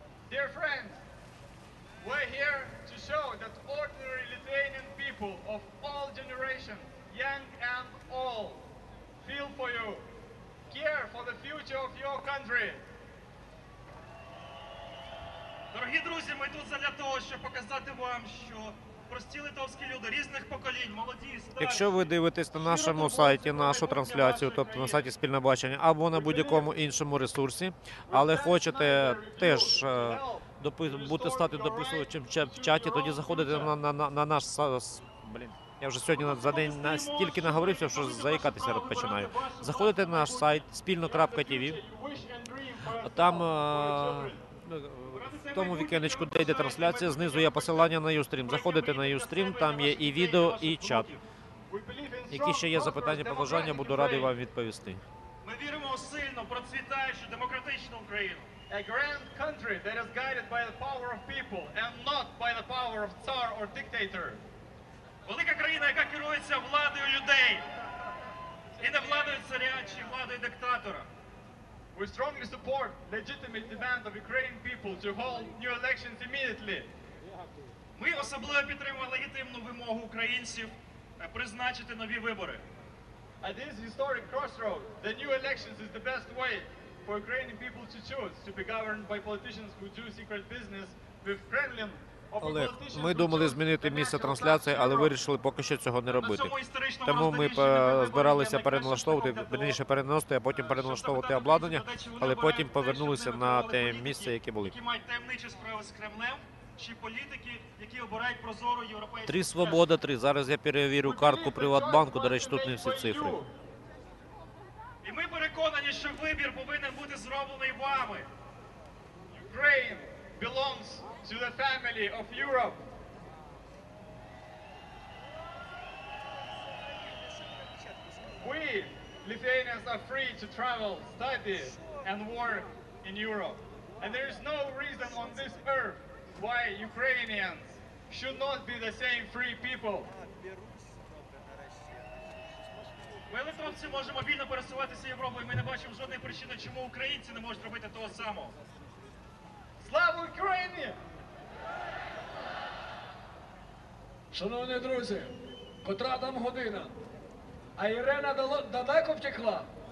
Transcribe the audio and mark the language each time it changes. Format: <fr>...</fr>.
<en>Dear friends, we're here to show that ordinary Lithuanian people of all generations, young and old, feel for you, care for the future of your country.</en> <uk>Дорогі друзі, ми тут задля того, щоб показати вам, що прості литовські люди різних поколінь, молоді, старі. Якщо ви дивитесь на нашому сайті нашу трансляцію, тобто на сайті «Спільне бачення» або на будь-якому іншому ресурсі, але хочете теж бути стати дописувачем в чаті, тоді заходите на наш сайт. Я вже сьогодні за день настільки наговорився, що заїкатися починаю. Заходите на наш сайт спільно.tv. Там в тому вікенечку, де йде трансляція, знизу є посилання на Ustream. Заходите на Ustream, там є і відео, і чат. Які ще є запитання, побажання, буду радий вам відповісти. Ми віримо у сильну, процвітаючу, демократичну Україну.</uk> <en>A grand country that is guided by the power of people and not by the power of czar or dictator.</en> <uk>Велика країна, яка керується владою людей. І не владою царя чи владою диктатора.</uk> <en>We strongly support legitimate demand of Ukrainian people to hold new elections immediately.</en> <uk>Ми особливо підтримуємо легітимну вимогу українців призначити нові вибори.</uk> <en>At this historic crossroad, the new elections is the best way for Ukrainian people to choose to be governed by politicians who do secret business with Kremlin.</en> <uk>Але ми думали змінити місце трансляції, але вирішили поки що цього не робити. Тому ми збиралися переналаштовувати, вірніше переносити, а потім переналаштовувати обладнання, але потім повернулися на те місце, яке були. Які мають таємничі справи з Кремлем, чи політики, які обирають прозору європейську... Три свобода, три. Зараз я перевірю картку Приватбанку, до речі, тут не всі цифри. І ми переконані, що вибір повинен бути зроблений вами.</uk> <en>Ukraine belongs to the family of Europe. We, Lithuanians, are free to travel, study, and work in Europe. And there is no reason on this earth why Ukrainians should not be the same free people.</en> <uk>Ми, литовці, можемо вільно пересуватися Європою, і ми не бачимо жодної причини, чому українці не можуть робити того самого. Слава Україні! Шановні друзі, котра там година? А Ірина далеко втекла?</uk>